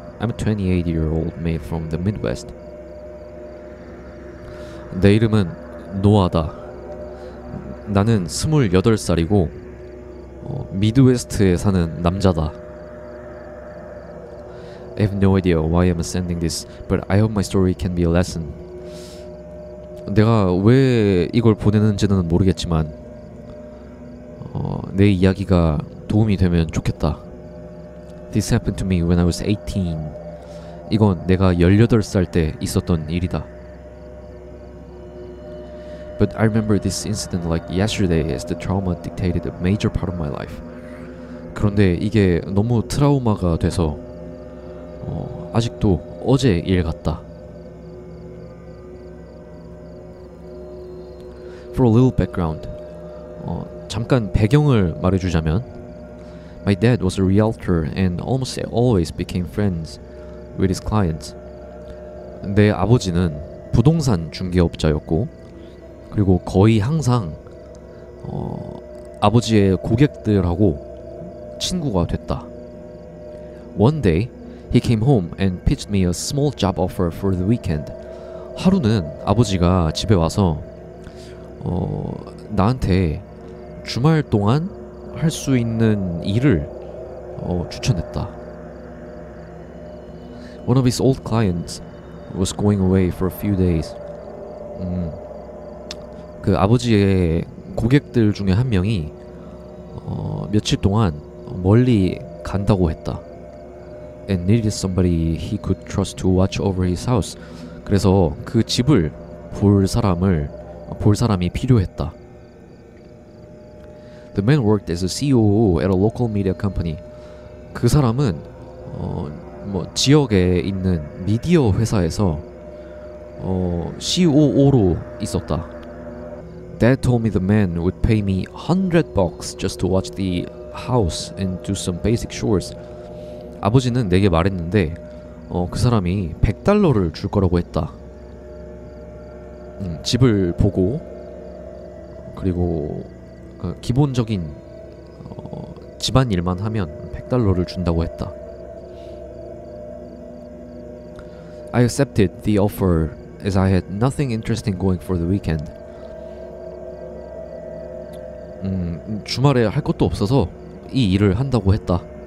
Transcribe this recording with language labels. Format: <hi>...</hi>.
<en>I'm a 28-year-old male from the Midwest.</en> <ko>내 이름은 노아다. 나는 28살이고 미드웨스트에 사는 남자다.</ko> <en>I have no idea why I'm sending this, but I hope my story can be a lesson.</en> <ko>내가 왜 이걸 보내는지는 모르겠지만 내 이야기가 도움이 되면 좋겠다.</ko> <en>This happened to me when I was 18.</en> <ko>이건 내가 18살 때 있었던 일이다.</ko> <en>But I remember this incident like yesterday as the trauma dictated a major part of my life.</en> <ko>그런데 이게 너무 트라우마가 돼서 아직도 어제 일 같다.</ko> <en>For a little background,</en> <ko>잠깐 배경을 말해주자면,</ko> <en>My dad was a realtor and almost always became friends with his clients.</en> <ko>내 아버지는 부동산 중개업자였고, 그리고 거의 항상 아버지의 고객들하고 친구가 됐다.</ko> <en>One day, he came home and pitched me a small job offer for the weekend.</en> <ko>하루는 아버지가 집에 와서 나한테 주말 동안 할 수 있는 일을 추천했다.</ko> <en>One of his old clients was going away for a few days.</en> <ko>그 아버지의 고객들 중에 한 명이 며칠 동안 멀리 간다고 했다.</ko> <en>And needed somebody he could trust to watch over his house.</en> <ko>그래서 그 집을 볼 사람이 필요했다.</ko> <en>The man worked as a COO at a local media company.</en> <ko>그 사람은 지역에 있는 미디어 회사에서 COO로 있었다.</ko> <en>Dad told me the man would pay me $100 just to watch the house and do some basic chores.</en> <ko>아버지는 내게 말했는데 그 사람이 $100를 줄 거라고 했다. 집을 보고 그리고 기본적인 집안일만 하면 $100를 준다고 했다.</ko> <en>I accepted the offer as I had nothing interesting going for the weekend.</en> <ko>주말에 할 것도 없어서 이 일을 한다고 했다.</ko>